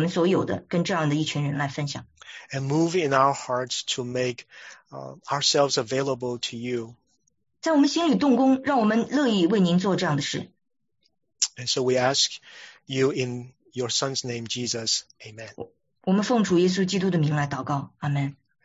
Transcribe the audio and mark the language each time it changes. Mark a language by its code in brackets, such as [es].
[zh] 主也给我们这样的一群人，让我们能够委身，愿意去分享我们所有的，跟这样的一群人来分享。 [en] And move in our hearts to make ourselves available to you. [zh] 在我们心里动工，让我们乐意为您做这样的事。 [en] And so we ask you in your Son's name, Jesus, amen. [zh] 我们奉主耶稣基督的名来祷告，阿门。